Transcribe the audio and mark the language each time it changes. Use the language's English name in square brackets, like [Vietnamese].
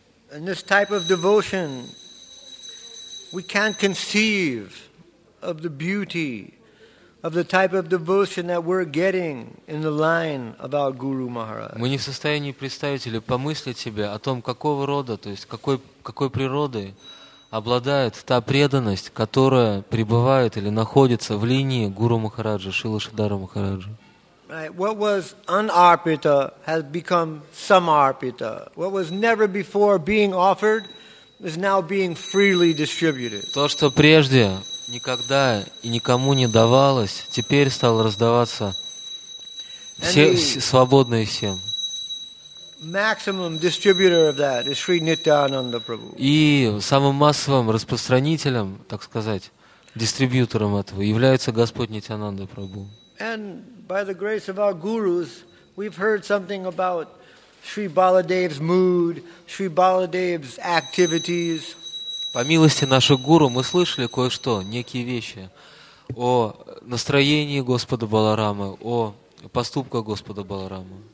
[English] And this type of devotion, we can't conceive of the beauty of the type of devotion that we're getting in the line of our Guru Maharaj. [Russian] Мы не в состоянии представить или помыслить себе о том, какого рода, то есть какой природой обладает та преданность, которая пребывает или находится в линии Гуру Махараджа, Шрилы Шридхара Махараджа. [English] Right. What was unarpita has become samarpita. What was never before being offered is now being freely distributed. [Russian] То, что прежде никогда и никому не давалось, теперь стало раздаваться свободно и всем. [English] Maximum distributor of that is Sri Nityananda Prabhu. [Russian] И самым массовым распространителем, так сказать, дистрибьютором этого является Господь Нитянанда Прабху. [English] And by the grace of our gurus, we've heard something about Shri Baladev's mood, Shri Baladev's activities. [Russian] По милости наших гуру мы слышали кое-что, некие вещи о настроении Господа Баларамы, о поступках Господа Баларамы.